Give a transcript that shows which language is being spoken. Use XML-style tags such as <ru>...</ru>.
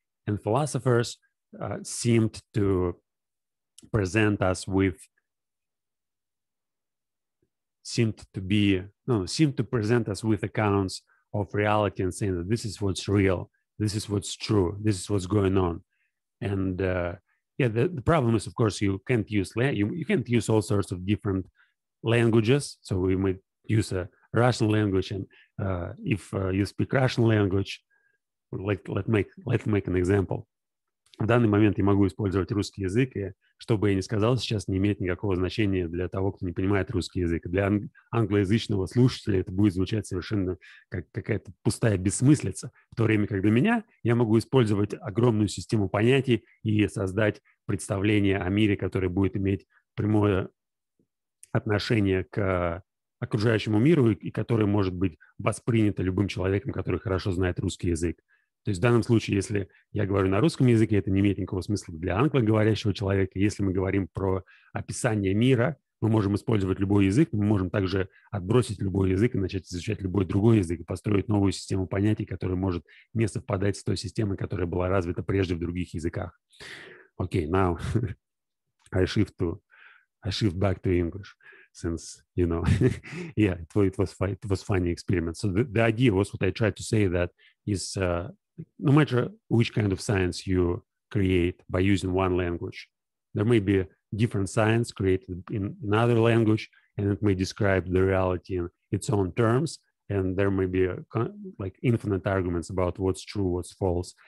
<en>And philosophers seemed to present us with seemed to present us with accounts of reality and saying that this is what's real, this is what's true, this is what's going on. And the problem is, of course, you can't use you can't use all sorts of different languages. So we might use a Russian language, and if you speak Russian language, let's make an example.</en> <ru>В данный момент я могу использовать русский язык, и что бы я ни сказал, сейчас не имеет никакого значения для того, кто не понимает русский язык. Для англоязычного слушателя это будет звучать совершенно как какая-то пустая бессмыслица. В то время как для меня я могу использовать огромную систему понятий и создать представление о мире, которое будет иметь прямое отношение к окружающему миру и которое может быть воспринято любым человеком, который хорошо знает русский язык. То есть в данном случае, если я говорю на русском языке, это не имеет никакого смысла для англоговорящего человека. Если мы говорим про описание мира, мы можем использовать любой язык, мы можем также отбросить любой язык и начать изучать любой другой язык, и построить новую систему понятий, которая может не совпадать с той системой, которая была развита прежде в других языках.</ru> <en>Okay, now I shift back to English, since, you know, yeah, it was funny experiment. So the idea was, what I tried to say, that is, no matter which kind of science you create by using one language, there may be different science created in another language, and it may describe the reality in its own terms, and there may be infinite arguments about what's true, what's false.</en>